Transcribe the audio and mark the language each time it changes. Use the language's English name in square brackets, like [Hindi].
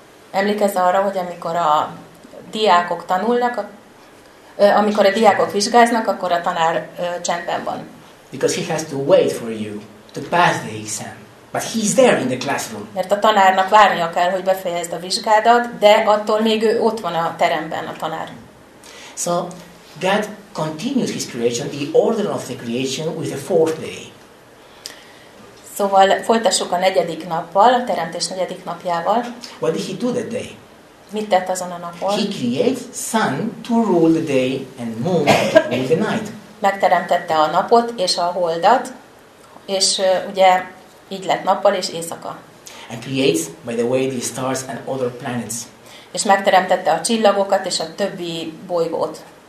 [Hungarian] emlékezz arra, hogy amikor a diákok tanulnak, amikor a diákok vizsgáznak, akkor a tanár csendben van. [English] Because he has to wait for you to pass the exam. But he's there in the classroom. [Hungarian] Mert a tanárnak várnia kell, hogy befejezd a vizsgádat, de attól még ő ott van a teremben, a tanár. [English] So, God continues his creation, the order of the creation with the fourth day. [Hungarian] Szóval folytassuk a negyedik nappal, a teremtés negyedik napjával. [English] What did he do that day? [Hungarian] Mit tett azon a napon? [English] He created sun to rule the day and moon to rule the night. [Hungarian] Megteremtette a napot és a holdat, és ugye így lett nappal és éjszaka. [English] And creates, by the way, the stars and other planets. [Hungarian] És megteremtette a csillagokat és a többi bolygót.